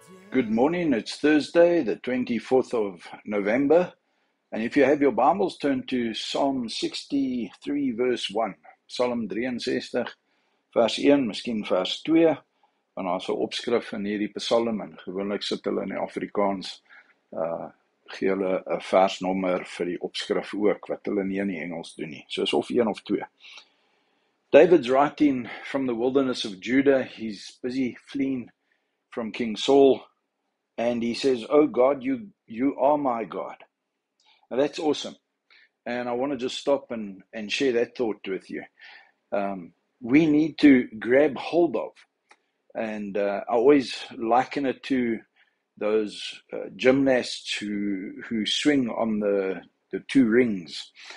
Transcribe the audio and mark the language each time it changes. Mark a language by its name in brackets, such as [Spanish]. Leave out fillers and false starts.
[English] Good morning, it's Thursday, the 24th of November, and if you have your Bibles, turn to Psalm 63, verse 1. [Afrikaans] Psalm 63, vers 1, miskien vers 2, en daar is 'n opskrif in hierdie psalm, en gewoonlik sit hulle in die Afrikaans, gee hulle 'n versnommer vir die opskrif ook, wat hulle nie in die Engels doen nie, soos of 1 of 2. [English] David's writing from the wilderness of Judah, he's busy fleeing from King Saul, and he says, "Oh God, you are my God." Now that's awesome. And I want to just stop and share that thought with you. We need to grab hold of, and I always liken it to those gymnasts who swing on the two rings.